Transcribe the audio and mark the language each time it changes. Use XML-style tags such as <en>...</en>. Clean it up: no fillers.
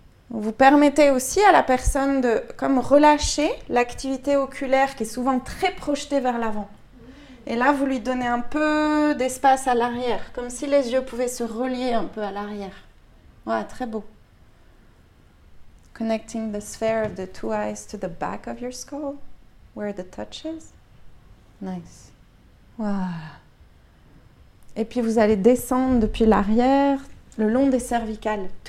<fr>Vous permettez aussi à la personne de comme relâcher l'activité oculaire qui est souvent très projetée vers l'avant. Et là, vous lui donnez un peu d'espace à l'arrière, comme si les yeux pouvaient se relier un peu à l'arrière. Voilà, très beau.</fr> <en>Connecting the sphere of the two eyes to the back of your skull, where the touch is.</en> <fr>Nice. Voilà. Et puis vous allez descendre depuis l'arrière, le long des cervicales.</fr>